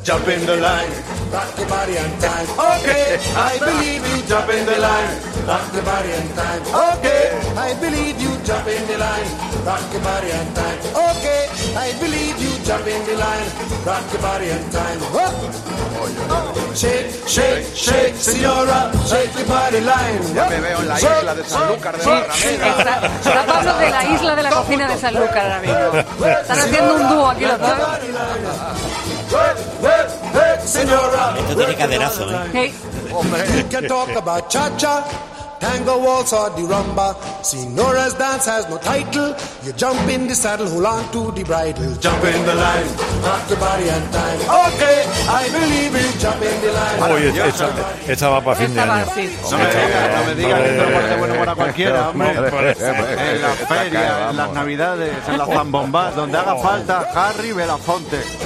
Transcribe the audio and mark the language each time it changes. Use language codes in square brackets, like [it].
[en] Jump in the line, rock your body on time. Okay, I believe you, jump in the line, rock your body on time. Okay, I believe you, jump in the line, rock your body on time. Okay, I believe you, jump in the line, rock your body on time. Shake, shake, shake, señora, shake your body line. [es] Ya me veo en la isla de Sanlúcar de Barrameda. Sí, está Pablo de la isla de la cocina de Sanlúcar ahora mismo. Están haciendo un dúo aquí los dos. Señora, esto tiene caderazo, ¿eh? [en] You can talk about cha-cha, tango, waltz or the rumba. Signora's dance has no title. You jump in the saddle, hold on to the bridle. Jump in the line, rock your body on time. Okay, I believe in jump in the line. [es] Uy, esta va para fin de año. No me digas que esto parece bueno para cualquiera, hombre. En la feria, en las navidades, en las zambombas, donde haga falta Harry Belafonte.